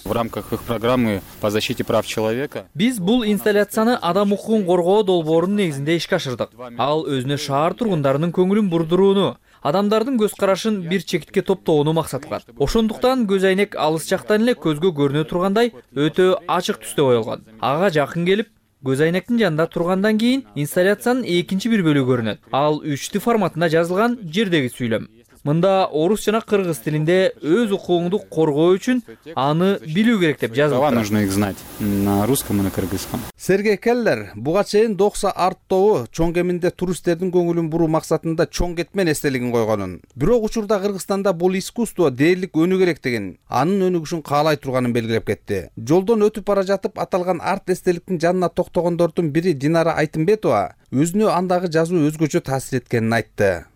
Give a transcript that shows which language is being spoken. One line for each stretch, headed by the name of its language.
Russian: В рамках их программы по защите прав человека.
Kyrgyz: Биз бул инсталляцияны адам укугун коргоо долбоорунун негизинде ишке ашырдык. Ал өзүнө шаар тургундарынын көңүлүн бурдурууну, адамдардын көз карашын бир чектке топтоону максат кылат. Ошондуктан көз айнек алыс жактан эле көзгө көрүнө тургандай өтө ачык түстө боелган. Ага жакын келип көз айнектин жанында тургандан кийин инсталляциянын экинчи бир бөлүгү көрүнөт. Ал 3D форматында жазылган жердеги сүйлөм. Мында орус жана кыргыз тилинде өз укугуңду коргоо үчүн аны билүү керек деп жазылып турат.
Russian: Нужно их знать на русском и на кыргызском.
Kyrgyz: Сергей Келлер буга чейин Докса арт тобу чоң кеминде туристтердин көңүлүн буруу максатында чоң кетмен эстелигин койгонун, бирок учурда Кыргызстанда бул искусство дээрлик өнүгүү керек деген, анын өнүгүшүн каалай турганын белгилеп кетти. Жолдон өтүп бара жатып аталган арт эстеликтин жанына токтогондордун бири Динара Айтымбетова өзүнө андагы жазуу өзгөчө таасир эткенин айтты.